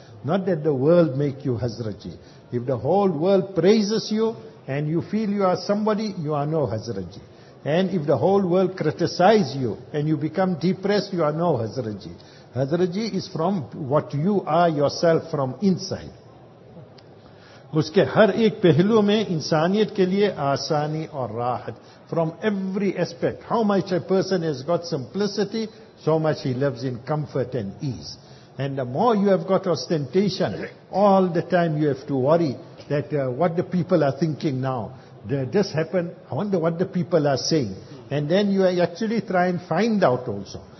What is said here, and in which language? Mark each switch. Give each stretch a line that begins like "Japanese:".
English: Not that the world make you Hazraji. If the whole world praises you and you feel you are somebody, you are no Hazraji. And if the whole world criticizes you and you become depressed, you are no Hazraji. Hazraji is from what you are yourself from inside.
Urdu: اس کے ہر ایک پہلو میں انسانیت کے لیے آسانی اور راحت.
English: From every aspect, how much a person has got simplicity, so much he lives in comfort and ease. And the more you have got ostentation, all the time you have to worry that what the people are thinking now. This happened, I wonder what the people are saying. And then you actually try and find out also.